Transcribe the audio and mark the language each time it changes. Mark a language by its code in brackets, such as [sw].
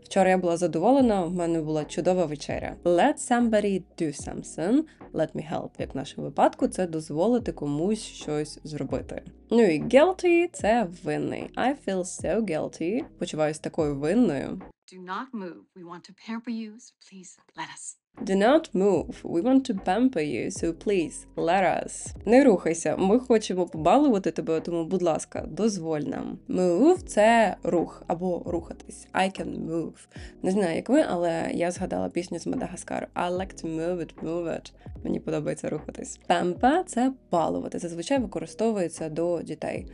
[uk] Вчора я була задоволена, в мене була чудова вечеря. [en] Let somebody do something. Let me help. [uk] Як в нашому випадку, це дозволити комусь щось зробити. Ну і guilty – це винний. [en] I feel so guilty. [uk] Почуваюся такою винною. [en] Do not move. We want to pamper you, so please let us. Do not move. We want to pamper you, so please let us. [uk] Не рухайся. Ми хочемо побалувати тебе, тому, будь ласка, дозволь нам. Move – це рух або рухатись. [en] I can move. [uk] Не знаю, як ви, але я згадала пісню з Мадагаскару. [en] I like to move it, move it. [uk] Мені подобається рухатись. Pamper – це балувати. Зазвичай використовується до дітей.